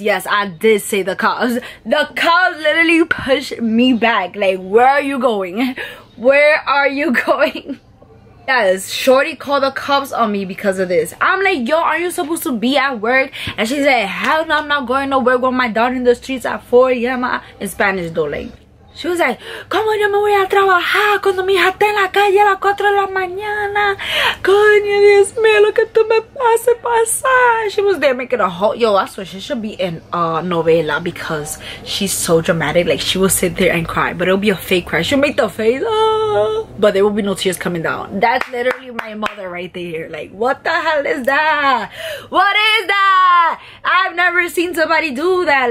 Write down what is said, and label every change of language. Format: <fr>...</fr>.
<en>Yes, I did say the cops. The cops literally pushed me back. Like, where are you going? Where are you going? Yes, shorty called the cops on me because of this. I'm like, yo, aren't you supposed to be at work? And she said, hell no, I'm not going to work with my daughter in the streets at 4 a.m. in Spanish, darling. She was like,</en> <es>como yo me voy a trabajar cuando mi hija está en la calle a las 4 de la mañana? Coño, Dios mío, lo que tú me pase pasar.</es> <en>She was there making a whole, yo, I swear, she should be in a novela because she's so dramatic. Like, she will sit there and cry, but it'll be a fake cry. She'll make the face, oh, but there will be no tears coming down. That's literally my mother right there. Like, what the hell is that? What is that? I've never seen somebody do that.</en>